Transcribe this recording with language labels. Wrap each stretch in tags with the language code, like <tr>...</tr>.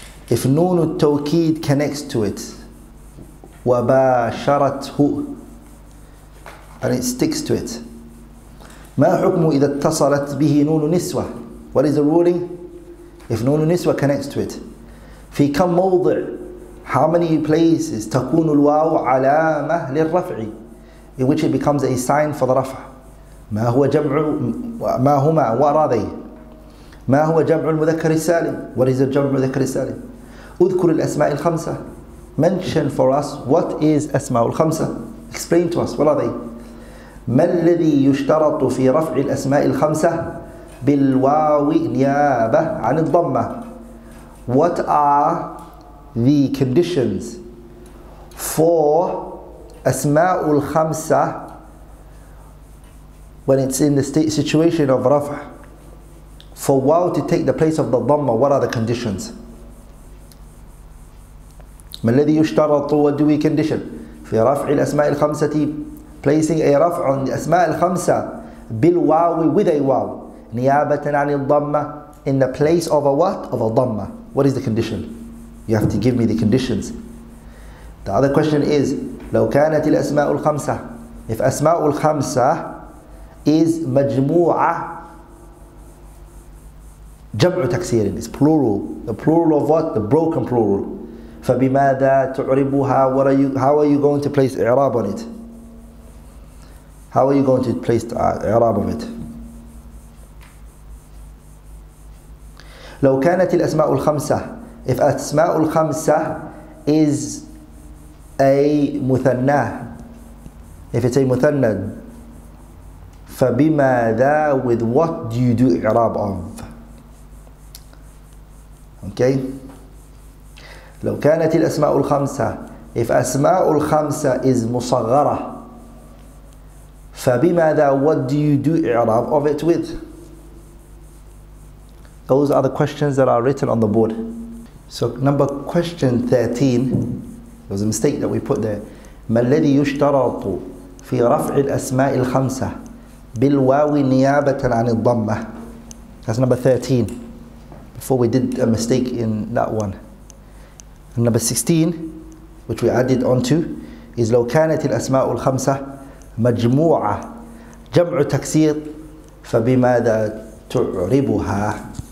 <en>If نون التوكيد connects to it,</en> <ar>وباشرته,</ar> <en>and it sticks to it.</en> <ar>ما حكمه إذا اتصلت به نون نسوة?</ar> <en>What is the ruling? If نون نسوة connects to it.</en> <ar>في كم</ar> <en>موضع? How many places</en> <ar>تكون الواو علامة للرفع?</ar> <en>In which it becomes a sign for the رفع.</en> <ar>ما هو جمع ما هما</ar> <en>what are they?</en> <ar>ما هو جمع المذكر السالم?</ar> <en>What is the جمع المذكر السالم?</en> <ar>اذكر الأسماء الخمسة.</ar> <en>Mention for us what is أسماء الخمسة. Explain to us what are they? ما الذي يشترط في رفع الأسماء الخمسة بالواو نيابة عن الضمة? What are the conditions for asma'ul khamsa when it's in the state situation of raf' for waw to take the place of the dhamma? What are the conditions?</en> <ar>Ma alladhi yushtarat?</ar> <en>What do we condition</en> <ar>fi raf' al asma'il khamsati?</ar> <en>Placing a raf' on the asma'il khamsa bil waw with a waw</en> <ar>niyabatan 'an al dhamma</ar> <en>in the place of a what? Of a dhamma. What is the condition? You have to give me the conditions. The other question is,</en> <ar>لو كانت الأسماء الخمسة,</ar> <en>if أسماء الخمسة is مجموعة جمع تكسير, it's plural. The plural of what? The broken plural.</en> <ar>فبماذا تعربها?</ar> <en>How are you going to place إعراب on it? How are you going to place إعراب on it?</en> <ar>لو كانت الأسماء الخمسة,</ar> <en>if أسماء الخمسة is a مثنى, if it's a مثنى,</en> <ar>فبماذا,</ar> <en>with what do you do إعراب of? Okay.</en> <ar>لو كانت الأسماء الخمسة,</ar> <en>if أسماء الخمسة is مصغرة,</en> <ar>فبماذا,</ar> <en>what do you do إعراب of it with? Those are the questions that are written on the board. So number question 13, there was a mistake that we put there.</en> <ar>ما الذي يشترط في رفع الأسماء الخمسة بالواو نيابة عن الضمة?</ar> <en>That's number 13. Before we did a mistake in that one. And number 16, which we added onto, is</en> <ar>لو كانت الأسماء الخمسة مجموعة جمع تكسير فبماذا تعربها?</ar>